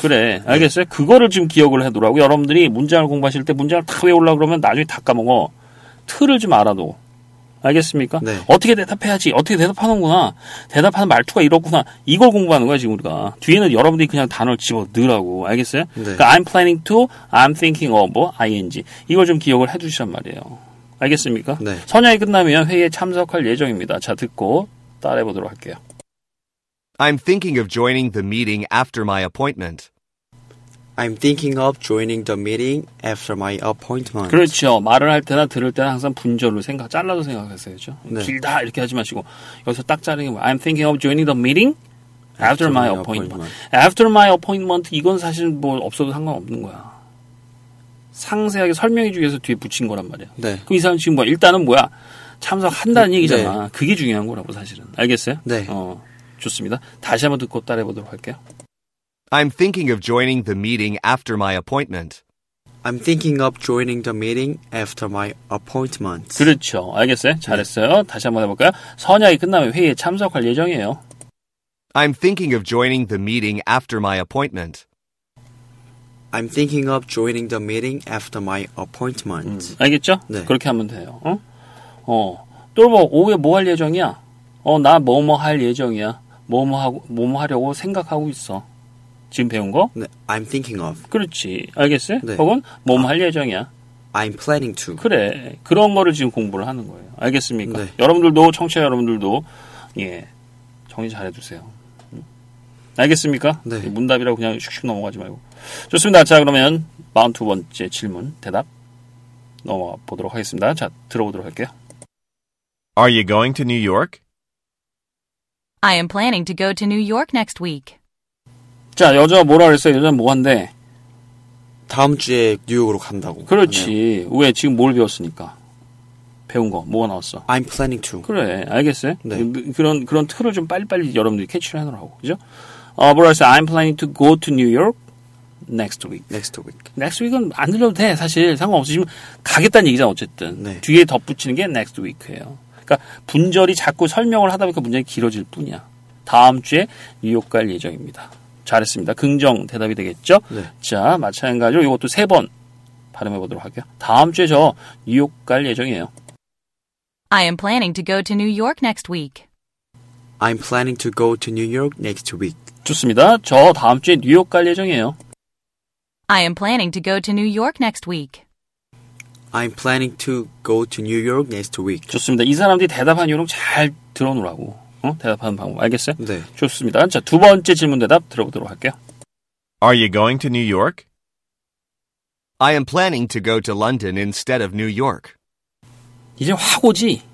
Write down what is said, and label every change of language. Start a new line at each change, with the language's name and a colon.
Korean: 그래 알겠어요? 네. 그거를 지금 기억을 해두라고 여러분들이 문장을 공부하실 때 문장을 다 외우려고 그러면 나중에 다 까먹어 틀을 좀 알아둬. 알겠습니까? 네. 어떻게 대답해야지, 어떻게 대답하는구나, 대답하는 말투가 이렇구나, 이걸 공부하는 거야 지금 우리가. 뒤에는 여러분들이 그냥 단어를 집어 넣으라고. 알겠어요? 네. 그러니까
English: I'm planning to, I'm thinking of, ing.
Korean: 이걸 좀 기억을 해주시란 말이에요. 알겠습니까? 네. 선양이 끝나면 회의에 참석할 예정입니다. 자, 듣고 따라해보도록 할게요.
English: I'm thinking of joining the meeting after my appointment. I'm thinking of joining the meeting after my appointment.
Korean: 그렇죠. 말을 할 때나 들을 때나 항상 분절로 생각, 잘라서 생각하세요. 네. 길다 이렇게 하지 마시고 여기서 딱 자르는 게 뭐예요?
English: I'm thinking of joining the meeting after my appointment. After my appointment,
Korean: 이건 사실 뭐 없어도 상관없는 거야. 상세하게 설명해 주기 위해서 뒤에 붙인 거란 말이야. 네. 그 이상은 지금 뭐 일단은 뭐야? 참석한다는 얘기잖아. 네. 그게 중요한 거라고 사실은. 알겠어요? 네. 좋습니다. 다시 한번 듣고 따라해 보도록 할게요.
English: I'm thinking of joining the meeting after my appointment. I'm thinking of joining the meeting after my appointment.
Korean: 그렇죠. 알겠어요? 잘했어요. 네. 다시 한번 해볼까요? 선약이 끝나면 회의에 참석할 예정이에요.
English: I'm thinking of joining the meeting after my appointment. I'm thinking of joining the meeting after my appointment.
Korean: 알겠죠? 네. 그렇게 하면 돼요. 어? 또 오후에 뭐 할 예정이야? 나 뭐뭐 할 예정이야. 뭐뭐 하려고 생각하고 있어. 지금 배운 거?
English: 네, I'm thinking of.
Korean: 그렇지. 알겠어요? 네. 혹은 뭐뭐 할 예정이야.
English: I'm planning to.
Korean: 그래. 그런 거를 지금 공부를 하는 거예요. 알겠습니까? 네. 여러분들도, 청취자 여러분들도 예, 정리 잘 해두세요. 알겠습니까? 네. 문답이라고 그냥 슉슉 넘어가지 말고. 좋습니다. 자, 그러면 42번째 질문, 대답 넘어가 보도록 하겠습니다. 자, 들어보도록 할게요.
English: Are you going to New York? I am planning to go to New York next week.
Korean: 자, 여자가 뭐라 그랬어요? 여자는 뭐 한대? 다음 주에 뉴욕으로 간다고. 그렇지. 하네요. 왜? 지금 뭘 배웠으니까. 배운 거. 뭐가 나왔어?
English: I'm planning to.
Korean: 그래. 알겠어요? 네. 그런 틀을 좀 빨리빨리 여러분들이 캐치를 하느라고. 그죠? 뭐라 그랬어요?
English: I'm planning to go to New York next week. Next week. Next week
Korean: 은 안 들려도 돼. 사실 상관없어. 지금 가겠다는 얘기잖아. 어쨌든. 네. 뒤에 덧붙이는 게
English: next week
Korean: 예요. 그러니까 분절이 자꾸 설명을 하다 보니까 문장이 길어질 뿐이야. 다음 주에 뉴욕 갈 예정입니다. 잘했습니다. 긍정 대답이 되겠죠? 네. 자, 마찬가지로 이것도 세 번 발음해보도록 할게요. 다음 주에 저 뉴욕 갈 예정이에요.
English: I am planning to go to New York next week. I'm planning to go to New York next week.
Korean: 좋습니다. 저 다음 주에 뉴욕 갈 예정이에요.
English: I am planning to go to New York next week. I'm planning to go to New York next week.
Korean: 좋습니다. 이 사람들이 대답한 요령 잘 들어놓으라고. 어? 대답하는 방법 알겠어요? 네. 좋습니다. 자, 두 번째 질문 대답 들어보도록 할게요.
English: Are you going to New York? I am planning to go to London instead of New York.
Korean: 이제 확 오지?